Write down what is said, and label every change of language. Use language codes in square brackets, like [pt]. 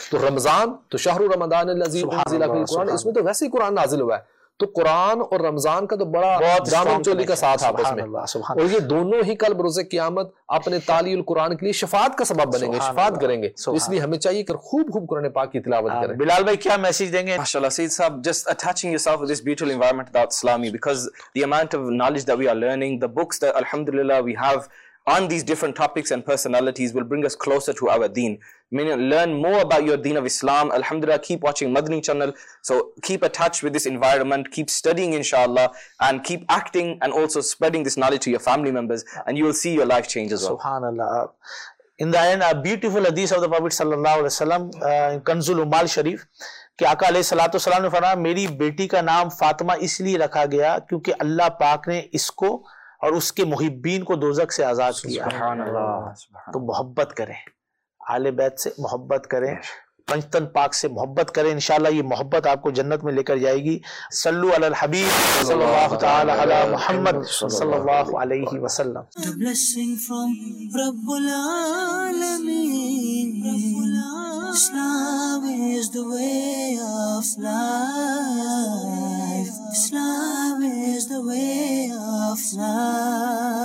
[ur] تو رمضان تو [ar] شہر رمضان الذی انزل فیہ القرآن, [ur] اس میں تو ویسے ہی قرآن نازل ہوا ہے, تو قرآن اور رمضان کا تو بڑا دام چولی کا ساتھ آپس میں, اور یہ دونوں ہی کل بروز قیامت اپنے تالی القرآن کے لیے شفاعت کا سبب بنیں گے, شفاعت کریں گے. اس لیے ہمیں چاہیے کہ خوب خوب قرآن پاک کی تلاوت کریں. بلال بھائی کیا میسج دیں گے؟ [en] ماشاءاللہ سید صاحب, just attaching yourself with this beautiful environment about Islami, because the amount of knowledge that we are learning, the books that alhamdulillah we have on these different topics and personalities will bring us closer to our deen. Meaning, learn more about your deen of Islam. Alhamdulillah, keep watching Madni channel. So keep attached with this environment. Keep studying, inshallah. And keep acting and also spreading this knowledge to your family members. And you will see your life change as well. SubhanAllah. In the end, a beautiful hadith of the Prophet sallallahu alaihi wasallam in Kanzul Umal Sharif. [ur] کہ آقا علیہ الصلوۃ والسلام نے فرمایا میری بیٹی کا نام فاطمہ اس لیے رکھا گیا کیونکہ اللہ پاک نے اس کو اور اس کے محبین کو دوزخ سے آزاد کیا. سبحان اللہ. تو محبت کریں آل بیت سے, محبت کریں پنج تن پاک سے, محبت کریں, انشاءاللہ یہ محبت آپ کو جنت میں لے کر جائے گی. [ar] صلو علی الحبیب صلی اللہ تعالی علی محمد صلی اللہ علیہ وسلم. [en] Islam is the way of life. Islam is the way of life.